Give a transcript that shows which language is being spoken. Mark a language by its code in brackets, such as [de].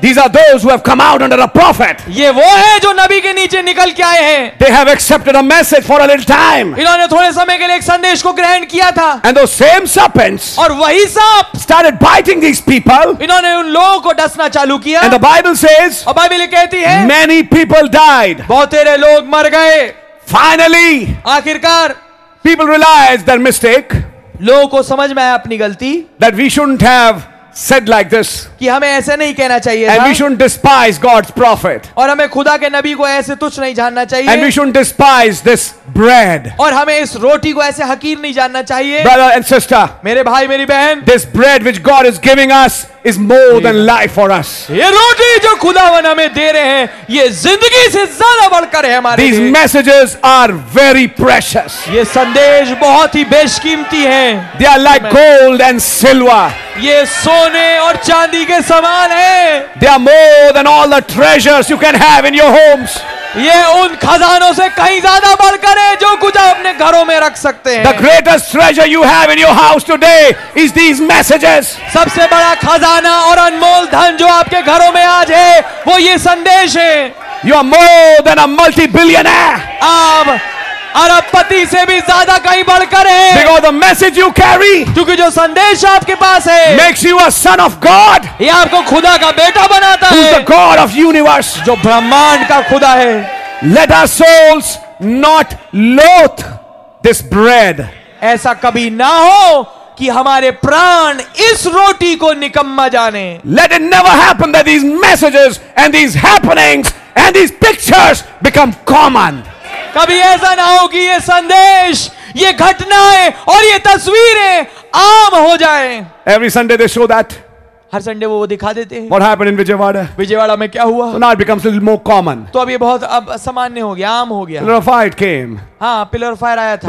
[en] These are those who have come out under a prophet, [hi] ये वो है जो नबी के नीचे निकल के आए हैं. [en] They have accepted a message for a little time, [hi] इन्होंने थोड़े समय के लिए एक संदेश को ग्रहण किया था. [en] And those same serpents, [hi] और वही सांप, [en] started biting these people, [hi] इन्होंने उन लोगों को डसना चालू किया. [en] And the Bible says, [hi] और बाइबल कहती है, [en] many people died, [hi] बहुत सारे लोग मर गए. [en] Finally, [hi] आखिरकार, [en] people realized their mistake. [hi] लोगों को समझ में आया अपनी गलती. [en] That we shouldn't have said like this, [hi] कि हमें ऐसे नहीं कहना चाहिए. [en] And we shouldn't despise God's prophet, [hi] और हमें खुदा के नबी को ऐसे तुच्छ नहीं जानना चाहिए. [en] And we shouldn't despise this bread, [hi] और हमें इस रोटी को ऐसे हकीर नहीं जानना चाहिए. [en] Brother and sister, [hi] मेरे भाई मेरी बहन, [en] this bread which God is giving us is more than life for us, [hi] ये रोटी जो खुदावन हमें दे रहे हैं ये जिंदगी से ज्यादा बढ़कर है हमारे. [en] These messages are very precious, [hi] ये संदेश बहुत ही बेशकीमती हैं. [en] They are like gold and silver, [hi] ये सोने और चांदी के समान है. [en] They are more than all the treasures you can have in your homes, [hi] ये उन खजानों से कहीं ज्यादा बढ़कर है जो कुछ आप अपने घरों में रख सकते हैं. [en] The greatest treasure you have in your house today is these messages. [hi] सबसे बड़ा खजाना और अनमोल धन जो आपके घरों में आज है वो ये संदेश है. [en] You are more than a multi-billionaire. [hi] आप अरबपति से भी ज्यादा कहीं बढ़कर है. [en] Because the message you carry, [hi] क्योंकि जो संदेश आपके पास है, [en] makes you a son of God, [hi] ये आपको खुदा का बेटा बनाता है. [en] Who's the God of universe, [hi] जो ब्रह्मांड का खुदा है. [en] Let our souls not loathe this bread, [hi] ऐसा कभी ना हो कि हमारे प्राण इस रोटी को निकम्मा जाने. [en] Let it never happen that these messages and these happenings and these pictures become common. [hi] कभी ऐसा ना हो कि ये संदेश ये घटनाएं और ये तस्वीरें आम हो जाएं. [en] Every Sunday they show that. [hi] हर Sunday वो दिखा देते हैं. [en] What happened in Vijayawada? [hi] Vijayawada में क्या हुआ? [en] So now it becomes a little more common. [hi] तो अब ये बहुत अब सामान्य हो गया, आम हो गया. [en] Pillar of fire came. [hi] हाँ, [en] pillar of fire [hi] आया था.